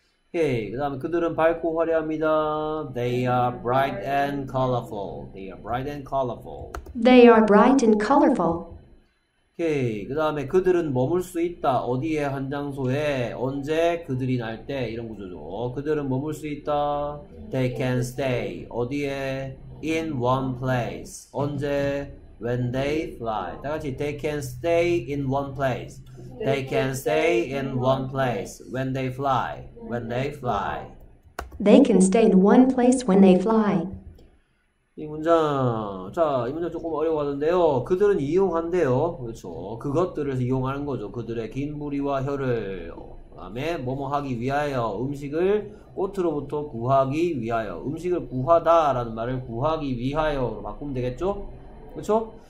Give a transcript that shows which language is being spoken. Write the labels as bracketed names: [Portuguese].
[English] Okay, [Korean] 그 다음에 그들은 밝고 화려합니다. [English] They are bright and colorful. They are bright and colorful. They are bright and colorful. [Korean] Okay, 그 다음에 그들은 머물 수 있다. 어디에 한 장소에 언제 그들이 날 때 이런 구조죠. 그들은 머물 수 있다. [English] They can stay [Korean] 어디에 [English] in one place [Korean] 언제 [English] when they fly [Korean] 다 같이 [English] they can stay in one place they can stay in one place when they fly when they fly they can stay in one place when they fly [Korean] 이 문장 자 이 문장 조금 어려워하는데요 그들은 이용한대요 그렇죠 그것들을 이용하는 거죠 그들의 긴 무리와 혀를 그다음에 뭐뭐 하기 위하여 음식을 꽃으로부터 구하기 위하여 음식을 구하다라는 말을 구하기 위하여로 바꾸면 되겠죠? 그렇죠?